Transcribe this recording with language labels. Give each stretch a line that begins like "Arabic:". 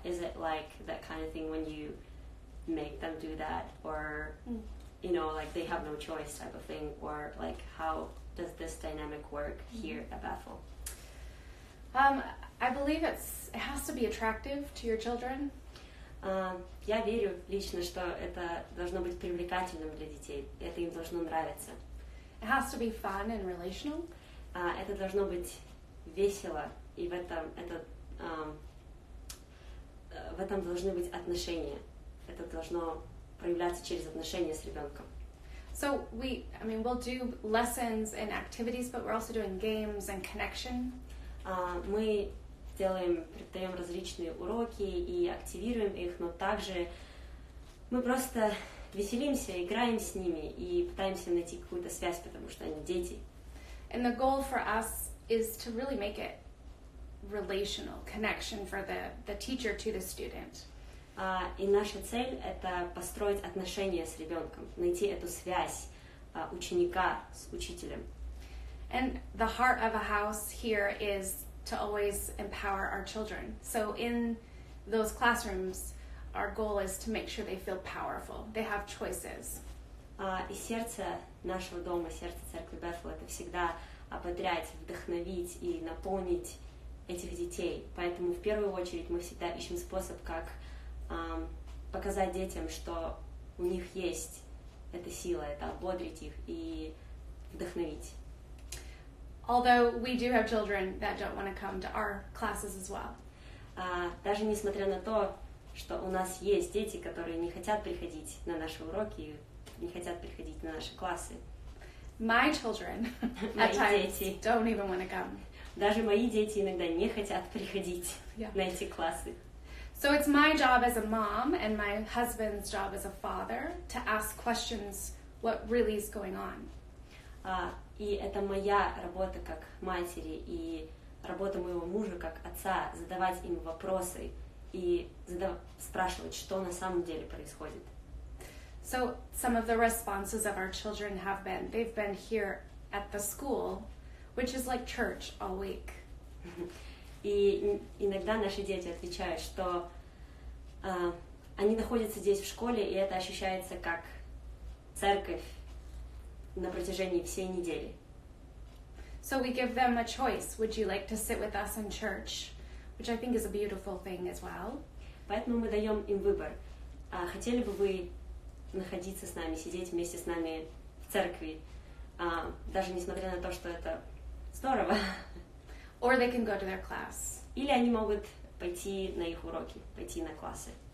English: Is it like that kind of thing when you make them do that, or you know, like they have no choice type of thing, or like how does this dynamic work here at Bethel? I believe it has to be attractive to your children.
Russian: Я верю лично, что это должно быть привлекательным для детей. Это им должно нравиться.
English: It has to be fun and relational.
Russian: Это должно быть весело, и в этом это в этом должны быть отношения. Это должно проявляться через отношения с ребенком.
English: So we'll do lessons and activities, but we're also doing games and connection.
Russian: Мы предаем различные уроки и активируем их, но также мы просто веселимся, играем с ними и пытаемся найти какую-то связь, потому что они дети.
English: And the goal for us is to really make it relational connection for the teacher to the student.
Russian: И наша цель — это построить отношения с ребенком, найти эту связь ученика с учителем.
English: And the heart of a house here is to always empower our children. So in those classrooms, our goal is to make sure they feel powerful, they have choices.
Russian: И сердце нашего дома, сердце церкви Bethel — это всегда ободрять, вдохновить и наполнить этих детей. Поэтому в первую очередь мы всегда ищем способ, как показать детям, что у них есть эта сила, это ободрить их и вдохновить.
English: Although we do have children that don't want to come to our classes as well.
Russian: Даже несмотря на то, что у нас есть дети, которые не хотят приходить на наши уроки, не хотят приходить на наши классы.
English: My children at times don't even want to come.
Russian: Даже мои дети иногда не хотят приходить на эти классы.
English: So it's my job as a mom and my husband's job as a father to ask questions, what really is going on.
Russian: И это моя работа как матери и работа моего мужа как отца задавать им вопросы и спрашивать, что на самом деле происходит.
English: So some of the responses of our children have been, they've been here at the school, which is like church all week.
Russian: И иногда наши дети отвечают, что они находятся здесь в школе, и это ощущается как церковь на протяжении всей недели.
English: So we give them a choice. Would you like to sit with us in church? Which I think is a beautiful thing as well.
Russian: Поэтому мы даем им выбор. Хотели бы вы находиться с нами, сидеть вместе с нами в церкви, даже несмотря на то, что это здорово?
English: Or they can go to their class.
Russian: Или они могут пойти на их уроки, пойти на классы.